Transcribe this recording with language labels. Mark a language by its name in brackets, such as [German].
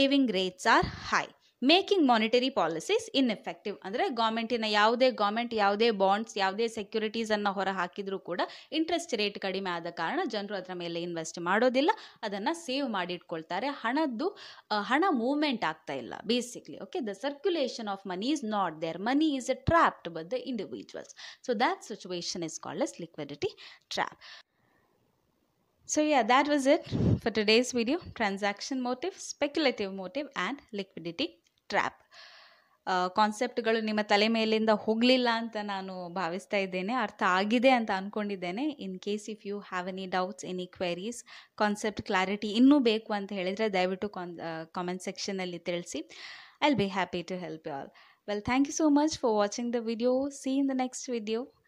[English] saving rates are high, making monetary policies ineffective, [Kannada] ಅಂದರೆ ಗೌರ್ಮೆಂಟಿನ ಯಾವುದೇ government ಯಾವುದೇ ಬಾಂಡ್ಸ್ ಯಾವುದೇ ಸೆಕ್ಯೂರಿಟೀಸನ್ನು ಹೊರಹಾಕಿದ್ರೂ ಕೂಡ ಇಂಟ್ರೆಸ್ಟ್ ರೇಟ್ ಕಡಿಮೆ ಆದ ಕಾರಣ ಜನರು ಅದರ ಮೇಲೆ ಇನ್ವೆಸ್ಟ್ ಮಾಡೋದಿಲ್ಲ, ಅದನ್ನು ಸೇವ್ ಮಾಡಿ ಇಟ್ಕೊಳ್ತಾರೆ. ಹಣದ್ದು ಹಣ ಮೂವ್ಮೆಂಟ್ ಆಗ್ತಾ ಇಲ್ಲ basically. [English] Okay, the circulation of money is not there, money is trapped by the individuals. So that situation is called as liquidity trap. So yeah, that was it for today's video, transaction motive, speculative motive and liquidity trap. [Kannada] ಕಾನ್ಸೆಪ್ಟ್ಗಳು ನಿಮ್ಮ ತಲೆ ಮೇಲಿಂದ ಹೋಗಲಿಲ್ಲ ಅಂತ ನಾನು ಭಾವಿಸ್ತಾ ಇದ್ದೇನೆ, ಅರ್ಥ ಆಗಿದೆ ಅಂತ ಅಂದ್ಕೊಂಡಿದ್ದೇನೆ. [English] in case if you have any doubts, any queries, [Kannada] concept clarity ಇನ್ನೂ ಬೇಕು ಅಂತ ಹೇಳಿದರೆ ದಯವಿಟ್ಟು ಕಾಮೆಂಟ್ ಸೆಕ್ಷನ್ನಲ್ಲಿ ತಿಳಿಸಿ. [English] I will be happy to help you all. Well, thank you so much for watching the video, see in the next video.